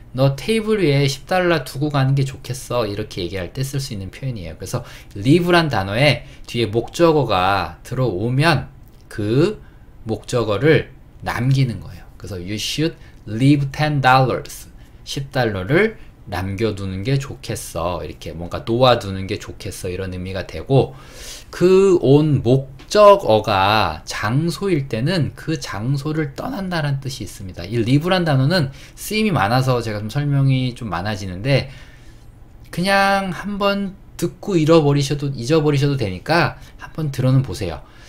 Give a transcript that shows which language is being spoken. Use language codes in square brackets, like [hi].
[ko] 너 테이블 위에 10달러 두고 가는 게 좋겠어. 이렇게 얘기할 때쓸수 있는 표현이에요. 그래서 leave란 단어에 뒤에 목적어가 들어오면 그 목적어를 남기는 거예요. 그래서 [en] you should leave $10. [ko] 10달러를 남겨두는 게 좋겠어. 이렇게 뭔가 놓아두는 게 좋겠어. 이런 의미가 되고, 그온 목적어가 장소일 때는 그 장소를 떠난다는 뜻이 있습니다. 이 leave란 단어는 쓰임이 많아서 제가 좀 설명이 좀 많아지는데, 그냥 한번 듣고 잊어버리셔도 되니까 한번 들어는 보세요.